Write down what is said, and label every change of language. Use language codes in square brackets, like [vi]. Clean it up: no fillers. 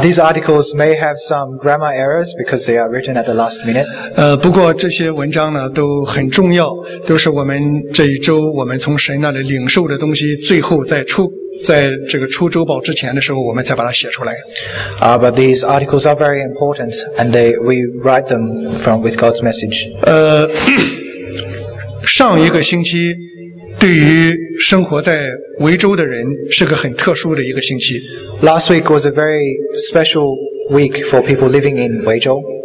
[en] These articles may have some grammar errors because they are written at the last minute. [zh] 不过这些文章呢都很重要，都是我们这一周我们从神那里领受的东西，最后在这个出周报之前的时候，我们再把它写出来。 [en] But these articles are very important, and we write them from with God's message. [zh] 上一个星期对于生活在维州的人是个很特殊的一个星期。 [en] Last week was a very special week for people living in 维州。